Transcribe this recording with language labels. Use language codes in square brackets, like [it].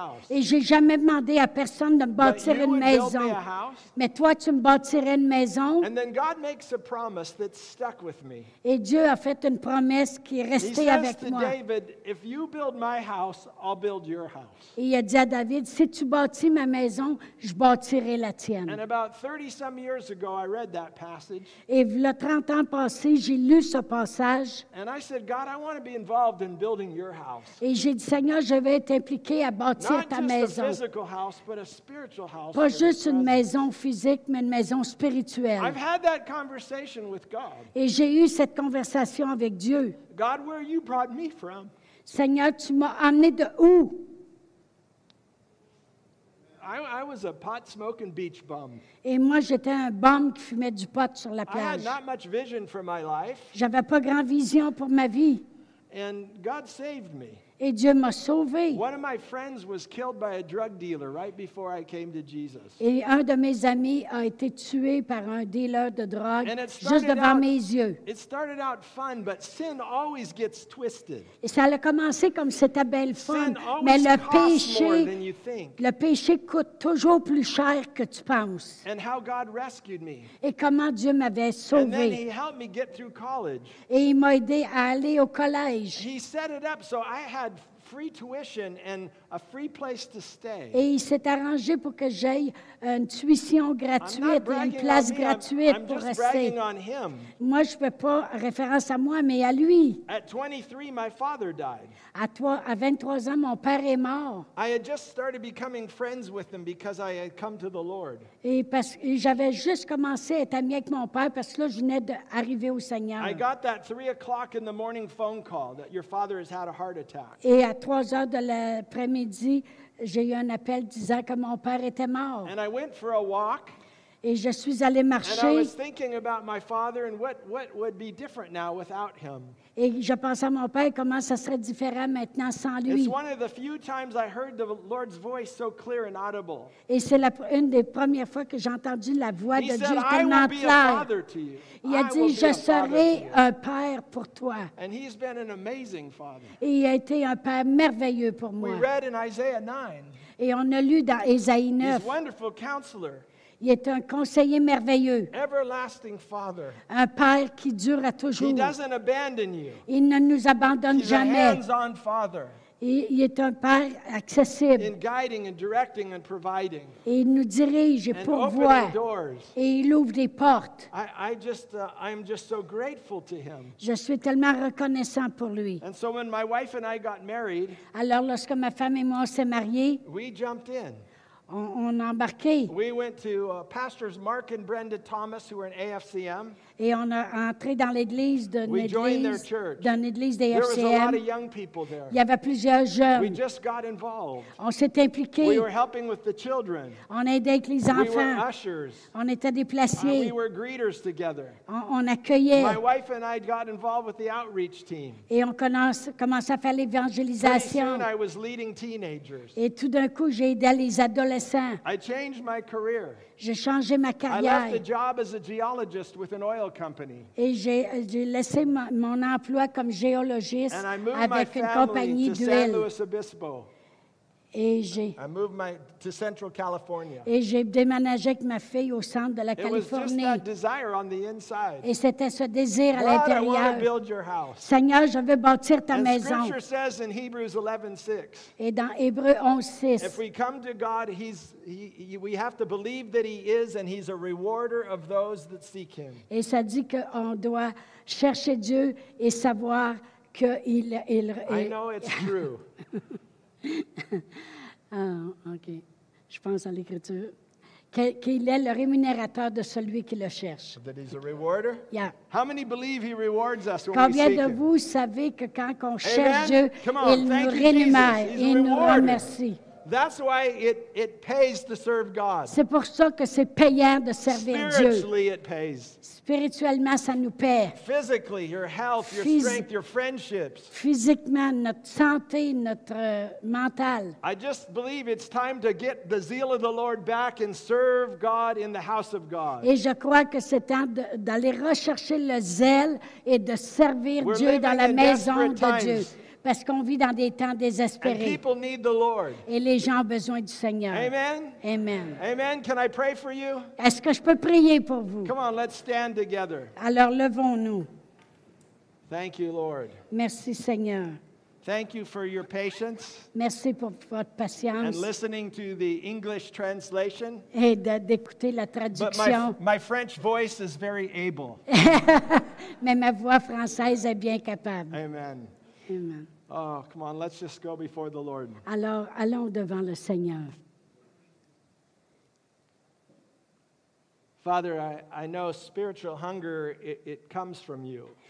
[fr] Et j'ai jamais demandé à personne de me bâtir une maison. Mais toi, tu me bâtirais une maison. [en] And then God makes a promise that stuck with me. [fr] Et Dieu a fait une promesse qui est restée avec moi. [en] David, if you build my house, I'll build your house. [fr] Et il a dit à David, si tu bâtis ma maison, je bâtirai la tienne. [en] And about 30 some years ago, I read that passage. [fr] Et le 30 ans passé, j'ai lu ce passage. [en] And I said, God, I want to be involved in building your house. [fr] Et j'ai dit, Seigneur, je vais être impliqué à bâtir ta maison. [en] Not just a physical house, but a spiritual house. [fr] Pas juste une maison physique, mais une maison spirituelle. [en] I've had that conversation with God. [fr] Et j'ai eu cette conversation avec Dieu. [en] God, where you brought me from? [fr] Seigneur, tu m'as amené de où? [en] I was a pot smoking beach bum. [fr] Et moi, j'étais un bum qui fumait du pot sur la plage. [en] I had not much vision for my life. [fr] J'avais pas grand vision pour ma vie. [en] And God saved me. [fr] Et Dieu m'a sauvé. [en] One of my friends was killed by a drug dealer right before I came to Jesus. [fr] Et un de mes amis a été tué par un dealer de drogue juste devant mes yeux. [en] It started out fun, but sin always gets twisted. [fr] Et ça a commencé comme c'était belle fun, mais le péché coûte toujours plus cher que tu penses. [en] And how God rescued me. [fr] Et comment Dieu m'avait sauvé. [en] And then he helped me get through college. [fr] Et il m'a aidé à aller au collège. [en] He set it up so I had free tuition and a free place to stay. [fr] Et il s'est arrangé pour que j'aie une tuition gratuite et une place gratuite [en] I'm [fr] pour rester. [en] On him. [fr] Moi, je ne fais pas référence à moi, mais à lui. [en] At 23, my father died. [fr] À 23 ans, mon père est mort. [en] I had just started becoming friends with him because I had come to the Lord. [fr] Et j'avais juste commencé à être ami avec mon père parce que là, je venais d'arriver au Seigneur. [en] I got that 3 o'clock in the morning phone call that your father has had a heart attack. [fr] Et à 3 heures de l'après-midi, j'ai eu un appel disant que mon père était mort. [en] And I went for a walk. [fr] Et je suis allé marcher. [en] And I was thinking about my father and what would be different now without him. [fr] Et je pensais à mon père, comment ça serait différent maintenant sans lui. [en] It's one of the few times I heard the Lord's voice so clear and audible. [fr] Et c'est une des premières fois que j'ai entendu la voix de Dieu tellement claire. Il a dit, je serai un père pour toi. [en] And he's been an amazing father. [fr] Et il a été un père merveilleux pour moi. [en] We read in Isaiah 9. [fr] Et on a lu dans Ésaïe 9. [en] He's a wonderful counselor. [fr] Il est un conseiller merveilleux. [en] Everlasting Father. [fr] Un père qui dure à toujours. [en] He doesn't abandon you. [fr] Il ne nous abandonne [en] He's [fr] jamais. [en] A hands-on Father. [fr] Il est un père accessible. [en] In guiding and directing and providing. [fr] Et il nous dirige et pourvoit. [en] And opening doors. [fr] Et il ouvre des portes. [en] I'm just so grateful to him. [fr] Je suis tellement reconnaissant pour lui. [en] And so when my wife and I got married, [fr] alors lorsque ma femme et moi s'est mariés, [en] we jumped in. [fr] On a embarqué. [en] We went to pastors Mark and Brenda Thomas, who were in AFCM. [fr] Et on a entré dans l'église d'une église d'AFCM. [en] There was a lot of young people there. [fr] Il y avait plusieurs jeunes. [en] We just got involved. [fr] On s'est impliqué. [en] We were helping with the children. [fr] On aidait avec les enfants. [en] We were ushers. [fr] On était des placiers. [en] We were greeters together. [fr] On accueillait. [en] My wife and I got involved with the outreach team. [fr] Et on commençait à faire l'évangélisation. [en] Pretty soon I was leading teenagers. [fr] Et tout d'un coup, j'ai aidé les adolescents. [en] I changed my career. [fr] J'ai changé ma carrière. [en] I left a job as a geologist with an oil company. [fr] Et j'ai laissé mon emploi comme géologiste avec une compagnie d'huile. [en] And I moved my family to San Luis Obispo. [fr] Et j'ai [en] Central California. [fr] Et j'ai déménagé avec ma fille au centre de la Californie. [en] It was just that desire on the inside. [fr] Et c'était ce désir [en] God, [fr] à l'intérieur. [en] I want to build your house. [fr] Seigneur, je veux bâtir ta [en] And [fr] maison. [en] Scripture says in Hebrews 11:6. [fr] Et dans Hébreux 11:6. [en] If we come to God, we have to believe that he is and he's a rewarder of those that seek him. [fr] Et ça dit qu'on doit chercher Dieu et savoir qu'il [en] I know it's true. [fr] Ah, OK. Je pense à l'Écriture. Qu'il est le rémunérateur de celui qui le cherche. [en] That he's a rewarder? Yeah. How many believe he rewards us when we seek him? [fr] Combien de vous [en] him? [fr] Savez que quand on [en] Amen? [fr] Cherche Dieu, [en] Come on, [fr] il nous rémunère, il nous remercie. [en] That's why it pays to serve God. [fr] C'est pour ça que c'est payant de servir Dieu. [en] Spiritually, it pays. [fr] Spirituellement, ça nous paie. [en] Physically, your health, your strength, your friendships. [fr] Physiquement, notre santé, notre mental. [en] I just believe it's time to get the zeal of the Lord back and serve God in the house of God. [fr] Et je crois que c'est temps d'aller rechercher le zèle et de servir Dieu dans la maison de Dieu. Parce qu'on vit dans des temps désespérés. [en] And people need the Lord. [fr] Et les gens ont besoin du Seigneur. [en] Amen. [fr] Amen. [en] Amen. Can I pray for you? [fr] Est-ce que je peux prier pour vous? [en] Come on, let's stand together. [fr] Alors levons-nous. [en] Thank you, Lord. [fr] Merci, Seigneur. [en] Thank you for your patience. [fr] Merci pour votre patience. [en] And listening to the English translation. [fr] Et d'écouter la traduction. [en] But my French voice is very able. [fr] Mais ma voix française est bien capable. [en] Amen. [fr] Amen. [en] Oh, come on, let's just go before the Lord. [fr] Alors, allons devant le Seigneur. [en] Father, I know spiritual hunger, it comes from you.